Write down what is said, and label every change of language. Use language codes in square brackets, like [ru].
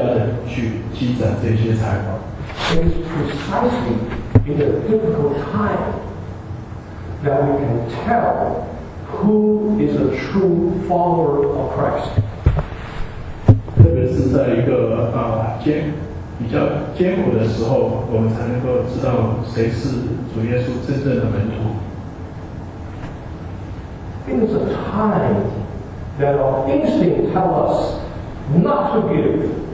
[zh] 如果我们在没有安全感的一个本能的时候，我们可能积极的抓住，或者我们要更加的去积攒这些财宝。 [en] It is precisely in a difficult time that we can tell who is a true follower of Christ. [zh] 特别是在一个比较艰苦的时候，我们才能够知道谁是主耶稣真正的门徒。 [en] It is a time that our instincts tell us not to give.